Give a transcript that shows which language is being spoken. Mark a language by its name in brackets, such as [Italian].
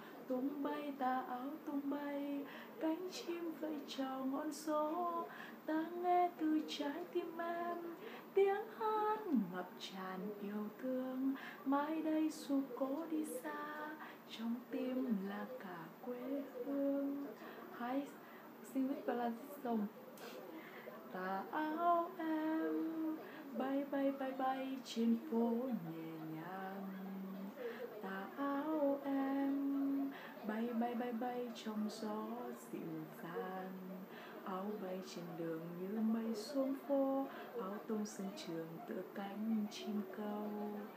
[Vietnamese] Tung bay ta áo tung bay cánh chim vẫy chào ngọn gió. Ta nghe từ trái tim em tiếng hát ngập tràn yêu thương. Mai đây dù có đi xa trong tim là cả quê hương. Hãy [English] sing with Bella this song. [Vietnamese] Ta áo em bay bay bay bay trên phố nhẹ nhàng. Ta áo em bay bay bay bay trong gió dịu dàng. Áo bay trên đường như mây xuống phố. Áo tung sân trường tựa cánh chim câu.